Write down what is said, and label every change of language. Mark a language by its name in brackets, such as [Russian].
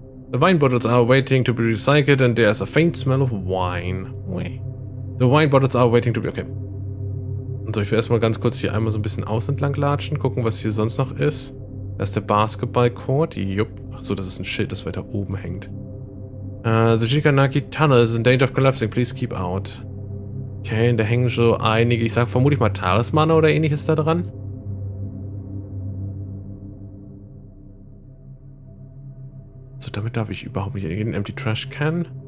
[English] The wine bottles are waiting to be recycled and there's a faint smell of wine. The wine bottles are waiting to be... Okay. [German] Und so, ich will erstmal ganz kurz hier einmal so ein bisschen aus entlang latschen, gucken, was hier sonst noch ist. Da ist der Basketball-Court. Jupp. Achso, das ist ein Schild, das weiter oben hängt. [English] The Shikanaki Tunnel is in danger of collapsing. Please keep out. [German] Okay, und da hängen so einige, ich sag vermutlich mal Talismane oder ähnliches da dran. So, damit darf ich überhaupt nicht in den Empty Trash Can.